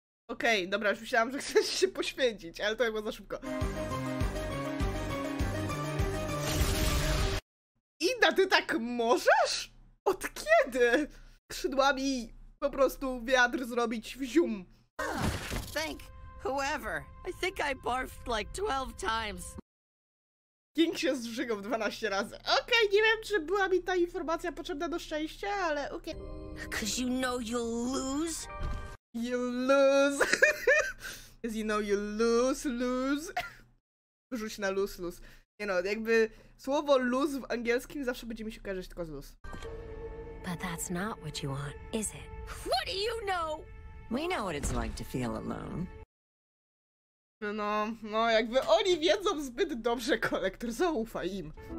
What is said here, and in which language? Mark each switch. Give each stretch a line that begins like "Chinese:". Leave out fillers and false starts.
Polish: Okej, okay, dobra, już myślałam, że chcesz się poświęcić, ale to było za szybko. Ida, ty tak możesz? Od kiedy? Skrzydłami po prostu wiatr zrobić w zium.
English: Thank whoever. I think I barfed like 12 times.
Polish: King się zżygał 12 razy. Okej, okay, nie wiem, czy była mi ta informacja potrzebna do szczęścia, ale okej.
English: Okay. Cause you know you'll lose. You lose. Cause you know you lose, lose.
Polish: Rzuć na lose, lose. Nie no, jakby słowo lose w angielskim zawsze będzie mi się kojarzyć tylko z lose.
English: But that's not what you want, is it? What do you know? We know what it's like to feel alone.
Polish: No, no, jakby oni wiedzą zbyt dobrze, kolektor, zaufaj im.